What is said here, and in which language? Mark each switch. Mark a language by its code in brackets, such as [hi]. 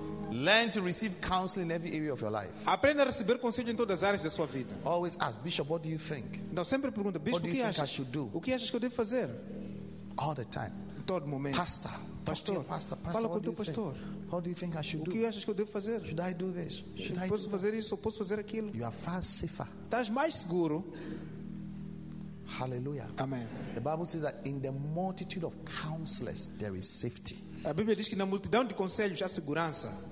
[en] Learn to receive counsel in every area of your life. [pt] Aprenda a receber conselho em todas as áreas da sua vida. [en] Always ask, Bishop, what do you think? [pt] Então, sempre pergunta, Bishop, [en] what do [pt] o que [en] you think [pt] achas? [en] I should do? [pt] O que achas que eu devo fazer? [en] All the time. [pt] Todo momento. [en] Pastor, [pt] pastor, pastor, pastor, fala com o teu pastor. [en] What do you think I should [pt] do? O que achas que eu devo fazer? [en] Should I do this? Should [pt] eu [en] I [pt] posso do fazer that? Isso? Posso fazer aquilo? [en] You are far safer. [pt] Estás mais seguro. [en] Hallelujah. [pt] Amen. [en] The Bible says that in the multitude of counselors there is safety. [pt] A Bíblia diz que na multidão de conselhos há segurança.